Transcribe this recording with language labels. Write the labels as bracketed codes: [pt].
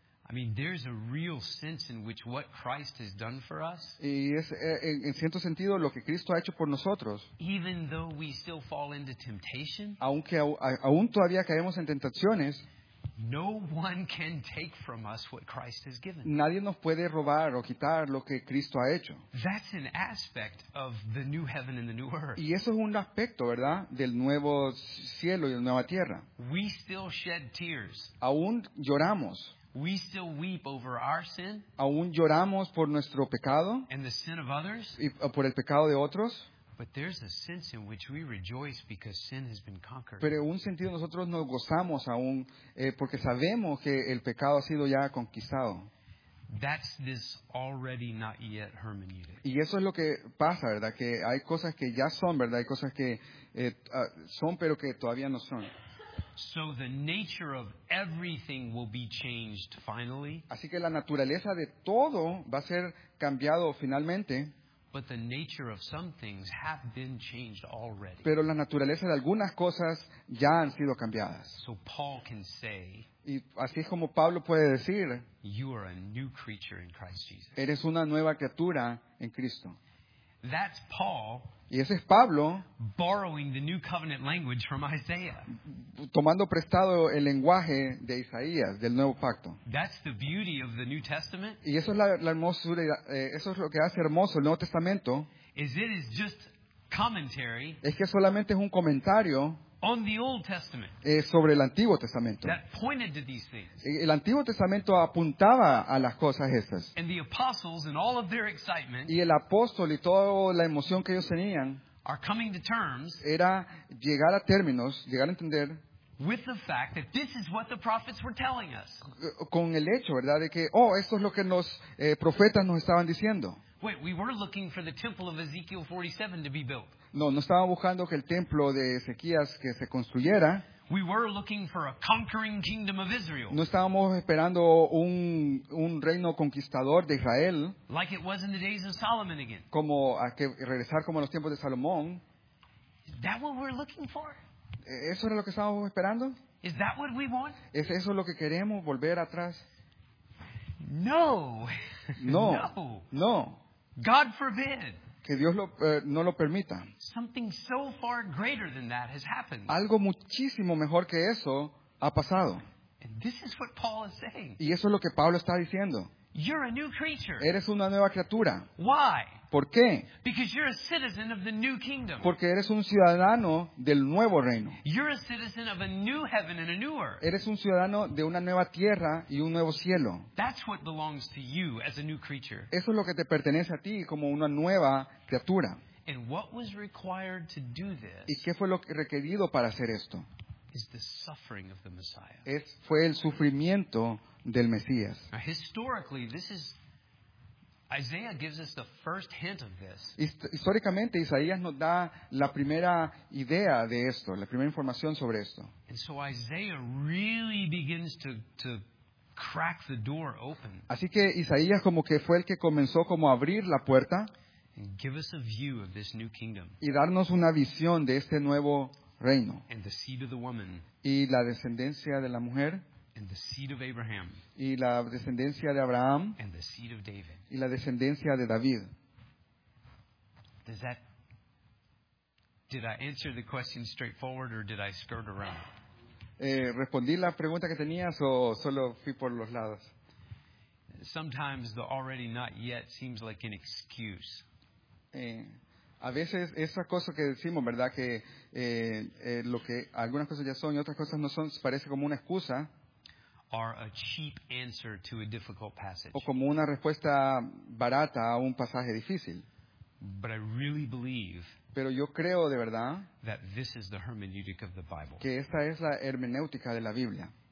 [en] I mean, there's a real sense in which what Christ has done for us. [es] Y es en cierto sentido lo que Cristo ha hecho por nosotros. [en] Even though we still fall into temptation. [es] Aunque aún todavía caemos en tentaciones. [en] No one can take from us what Christ has given. [es] Nadie nos puede robar o quitar lo que Cristo ha hecho. [en] That's an aspect of the new heaven and the new earth. [es] Y eso es un aspecto, ¿verdad?, del nuevo cielo y la nueva tierra. [en] We still shed tears. [es] Aún lloramos. [en] We still weep over our sin. [es] Aún lloramos por nuestro pecado. [en] And the sin of others. [es] Y por el pecado de otros. [en] But there's a sense in which we rejoice because sin has been conquered. [es] Pero en un sentido nosotros nos gozamos aún porque sabemos que el pecado ha sido ya conquistado. [en] That's this already not yet hermeneutic. [es] Y eso es lo que pasa, ¿verdad? Que hay cosas que ya son, ¿verdad? Hay cosas que son pero que todavía no son. [en] So the nature of everything will be changed finally. [es] Así que la naturaleza de todo va a ser cambiado finalmente. [en] But the nature of some things have been changed already. [es] Pero la naturaleza de algunas cosas ya han sido cambiadas. [en] So Paul can say, [es] y así es como Pablo puede decir, [en] you are a new creature in Christ Jesus. [es] Eres una nueva criatura en Cristo. [en] That's Paul. [es] Y ese es Pablo. [en] Borrowing the new covenant language from Isaiah. [es] Tomando prestado el lenguaje de Isaías, del nuevo pacto. [en] That's the beauty of the New Testament. [es] Y eso es la hermosura, eso es lo que hace hermoso el Nuevo Testamento. [en] Is it is just commentary. [es] Es que solamente es un comentario. [en] On the Old Testament. [es] Sobre el Antiguo Testamento. [en] That pointed to these things. [es] El Antiguo Testamento apuntaba a las cosas estas. [en] And the apostles and all of their excitement. [es] Y el apóstol y toda la emoción que ellos tenían. [en] Are coming to terms. [es] Era llegar a términos, llegar a entender. [en] With the fact that this is what the prophets were telling us. [es] Con el hecho, ¿verdad?, de que, esto es lo que los profetas nos estaban diciendo. [en] Wait, we were looking for the temple of Ezekiel 47 to be built. [es] No, no estaba buscando que el templo de Ezequías que se construyera. [en] We were looking for a conquering kingdom of Israel. [es] No estábamos esperando un reino conquistador de Israel. [en] Like it was in the days of Solomon again. [es] Como a que regresar como a los tiempos de Salomón. [en] Is that what we're looking for? [es] ¿Eso era lo que estábamos esperando? [en] Is that what we want? [es] ¿Es eso lo que queremos, volver atrás? [en] No. [es] No. [en] No. [es] No. [en] God forbid. [es] Que Dios no lo permita. [en] Something so far greater than that has happened. [es] Algo muchísimo mejor que eso ha pasado. [en] And this is what Paul is saying. [es] Y eso es lo que Pablo está diciendo. [en] You're a new creature. [es] Eres una nueva criatura. [en] Why? [es] ¿Por qué? [en] Because you're a citizen of the new kingdom. [es] Porque eres un ciudadano del nuevo reino. [en] You're a citizen of a new heaven and a new earth. [es] Eres un ciudadano de una nueva tierra y un nuevo cielo. [en] That's what belongs to you as a new creature. [es] Eso es lo que te pertenece a ti como una nueva criatura. [en] And what was required to do this? [es] ¿Y qué fue lo requerido para hacer esto? [en] Is the suffering of the Messiah. [es] Fue el sufrimiento del Mesías. [en] Now, historically, this is Isaiah gives us the first hint of this. [es] Históricamente, Isaías nos da la primera idea de esto, la primera información sobre esto. [en] And so Isaiah really begins to crack the door open. [es] Así que Isaías como que fue el que comenzó como a abrir la puerta. [en] And give us a view of this new kingdom. [es] Y darnos una visión de este nuevo reino. [en] And the seed of the woman. [es] Y la descendencia de la mujer. [en] And the seed of Abraham. [es] Y la descendencia de Abraham. [en] And the seed of David. [es] Y la descendencia de David. [en] Did I answer the question straightforward or did I skirt around? [es] ¿Respondí la pregunta que tenías o solo fui por los lados? [en] Sometimes the already not yet seems like an excuse. [es] A veces esa cosa que decimos, ¿verdad? Que lo que algunas cosas ya son y otras cosas no son, parece como una excusa. [en] Are a cheap answer to a difficult passage. [es] O como una respuesta barata a un pasaje difícil. [en] But I really believe. [es] Pero yo creo de verdad. [en] That this is the hermeneutic of the Bible. [es] Que esta es la hermenéutica de la Biblia.